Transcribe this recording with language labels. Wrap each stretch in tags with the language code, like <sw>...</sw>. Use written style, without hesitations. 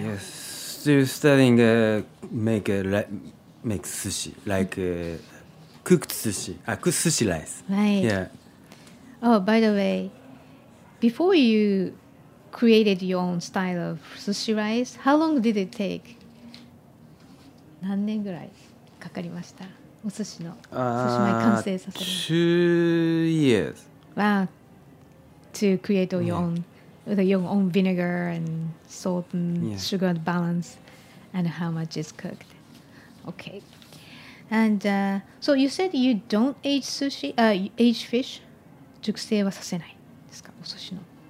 <en>Yes. Still studying make sushi, like cooked sushi, cooked sushi rice. Right. Yeah. Oh, by the way, before you created your own style of sushi rice, how long did it take?</en> <ja>何年ぐらいかかりました?お寿司の寿司の完成させる。</ja> <en>2 years. Wow. To create your own. With your own vinegar and salt and sugar and balance, and how much is cooked. Okay. And so you said you don't age sushi, age fish?</en> <ja>熟成はさせないですか、お寿司の。</ja>